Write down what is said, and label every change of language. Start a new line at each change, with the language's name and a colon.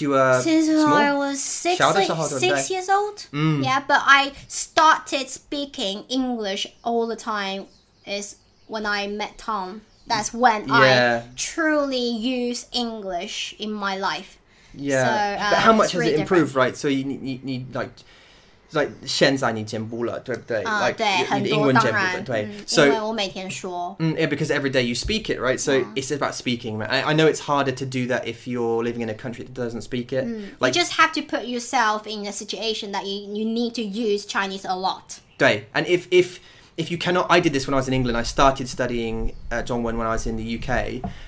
English: I was six years old. Yeah, but I started speaking English all the time is when I met Tom. That's when I truly use English in my life. Yeah. So, but how much has really it improved, different. Right? So you need like...
Chinese: 现在你进步了，对不对？对，你的英文进步了，对。所以，因为我每天说。
English: Yeah, because every day you speak it, right? So it's about speaking. I know it's harder to do that if you're living in a country that doesn't speak it. Like, you just have to put yourself in a situation that you need to use Chinese a lot. 对, and if you cannot... I did this when I was in England. I started studying Zhongwen when I was in the UK.